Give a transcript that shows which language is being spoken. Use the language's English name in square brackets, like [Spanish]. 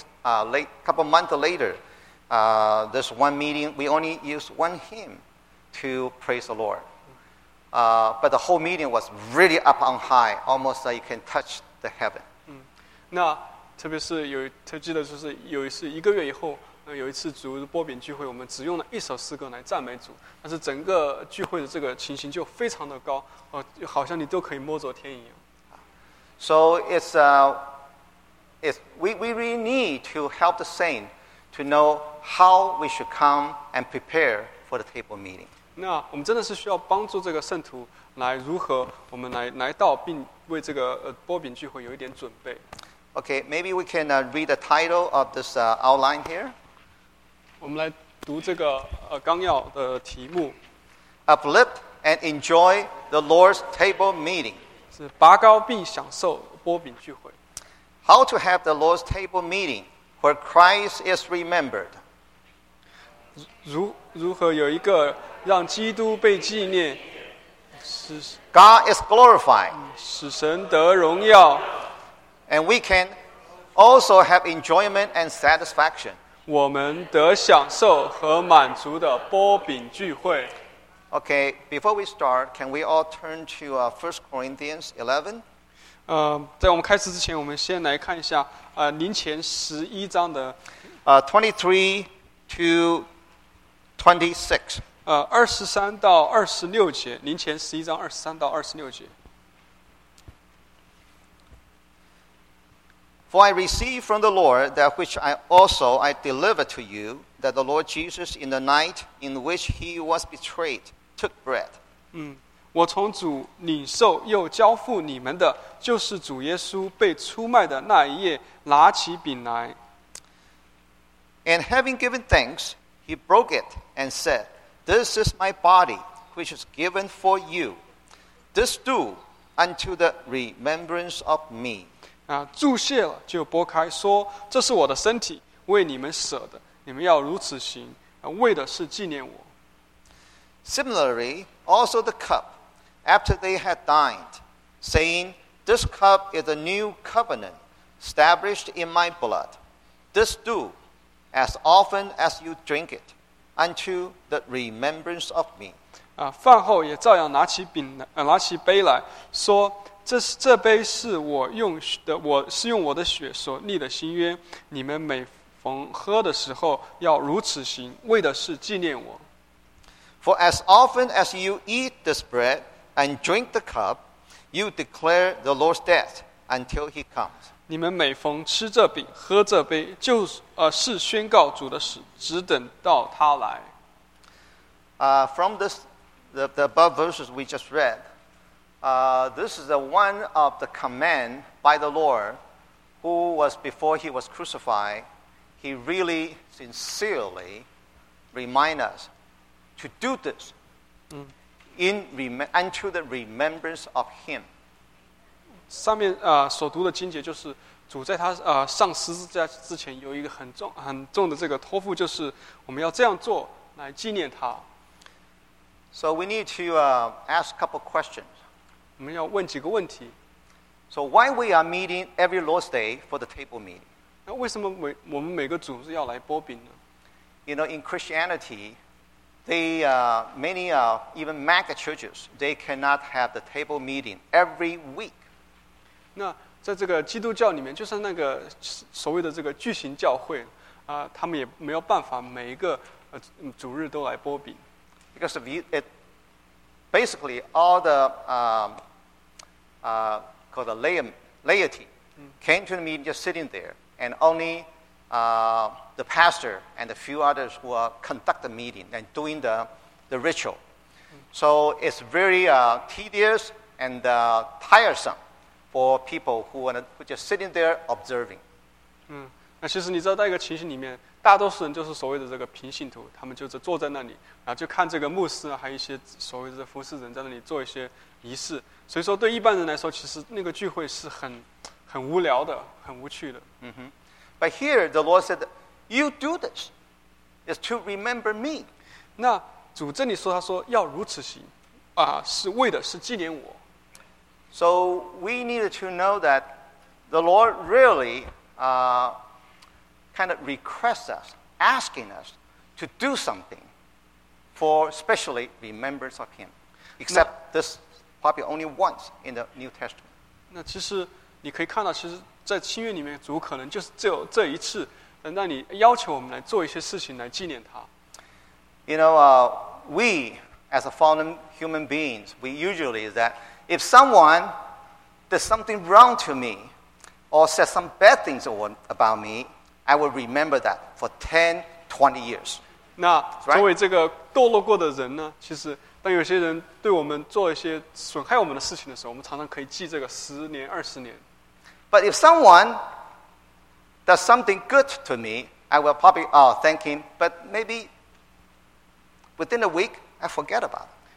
[English] I think a couple months later, this one meeting we only used one hymn to praise the Lord. But the whole meeting was really up on high, almost like you can touch the heaven. [Chinese] 那特别是有他记得就是有一次一个月以后有一次主日波饼聚会，我们只用了一首诗歌来赞美主，但是整个聚会的这个情形就非常的高，好像你都可以摸着天一样。 [English] So it's we really need to help the saint to know how we should come and prepare for the table meeting. [Chinese] 那我们真的是需要帮助这个圣徒来如何我们来到并为这个波饼聚会有一点准备。 [English] Okay, maybe we can read the title of this outline here. [Chinese] 我们来读这个纲要的题目。 [English] Uplift and enjoy the Lord's table meeting. [Chinese] 是拔高并享受波饼聚会。 [English] How to have the Lord's table meeting where Christ is remembered. [Chinese] 如何有一个让基督被纪念。 [English] God is glorified. [Chinese] 使神得荣耀。 [English] And we can also have enjoyment and satisfaction. [Chinese] 我们得享受和满足的波饼聚会。 [English] Okay, before we start, can we all turn to 1 Corinthians 11? [Chinese] 在我们开始之前，我们先来看一下林前十一章的 [English] 23 to 26. [Chinese] 23-26节，林前十一章23-26节。 [English] For I received from the Lord that which I also I delivered to you, that the Lord Jesus in the night in which he was betrayed took bread. [Chinese] 我从主领受又交付你们的，就是主耶稣被出卖的那一夜拿起饼来。 [English] And having given thanks, he broke it and said, This is my body which is given for you. This do unto the remembrance of me. [Chinese] 注谢了就拨开说，这是我的身体，为你们舍的，你们要如此行，为的是纪念我。 [English] Similarly, also the cup, after they had dined, saying, This cup is a new covenant established in my blood. This do as often as you drink it, unto the remembrance of me. [Chinese] 啊，饭后也照样拿起饼，拿起杯来说，这杯是我用的，我是用我的血所立的新约。你们每逢喝的时候，要如此行，为的是纪念我。 [English] For as often as you eat this bread and drink the cup, you declare the Lord's death until he comes. [Chinese] 你们每逢吃这饼，喝这杯，就是宣告主的死，只等到他来。 [English] From this, the above verses we just read, this is one of the command by the Lord who was before he was crucified. He really sincerely remind us to do this in unto the remembrance of him. [Chinese] 上面所读的经节就是主在他上十字架之前有一个很重的这个托付，就是我们要这样做来纪念他。 [English] So we need to ask a couple questions. [Chinese] 我们要问几个问题。 [English] So why we are meeting every Lord's Day for the table meeting? [Chinese] 那为什么我们每个主日要来擘饼呢？ [English] You know, in Christianity, many even mega churches, they cannot have the table meeting every week. [Chinese] 那在这个基督教里面，就像那个所谓的这个巨型教会啊，他们也没有办法每一个主日都来擘饼。 [English] Because if it basically all the called the laity came to the meeting just sitting there, and only the pastor and a few others who are conduct the meeting and doing the ritual. So it's very tedious and tiresome for people who just sitting there observing. [Chinese] 嗯，那其实你知道在一个情形里面，大多数人就是所谓的这个平信徒，他们就是坐在那里，然后就看这个牧师还有一些所谓的服侍人在那里做一些仪式。所以说，对一般人来说，其实那个聚会是很无聊的，很无趣的。嗯哼。 [English] But here the Lord said, "You do this is to remember me." [Chinese] 那主这里说，他说要如此行，啊，是为的是纪念我。 [English] So we need to know that the Lord really kind of requests us, asking us to do something for specially remembrance of him. Except this probably only once in the New Testament. [Chinese] 那其实你可以看到，其实在新约里面，主可能就是只有这一次，那你要求我们来做一些事情来纪念他。 [English] You know, we as a fallen human beings, we usually is that if someone does something wrong to me or says some bad things about me,I will remember that for 10, 20 years. [Chinese] 那作为这个堕落过的人呢，其实当有些人对我们做一些损害我们的事情的时候，我们常常可以记这个十年、二十年。 [English] But if someone does something good to me, I will probably thank him, but maybe within a week, I forget about it.